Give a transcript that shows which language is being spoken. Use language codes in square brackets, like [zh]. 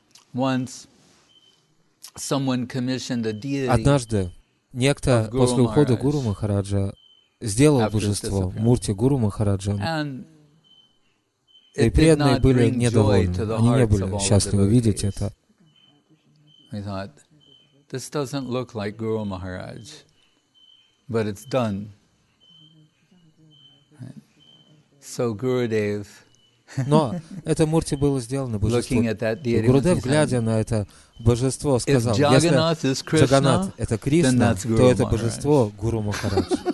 [ru] Однажды некто после ухода Гуру Махараджа сделал божество, мурти Гуру Махараджа, и преданные были недовольны, они не были счастливы видеть это. [en] This doesn't look like Guru Maharaj, but it's done. So Gurudev. [ru] Но это мурти было сделано божество. Гурудев, глядя на это божество, сказал: если Джаганат — это Кришна, то это божество Гуру Махарадж.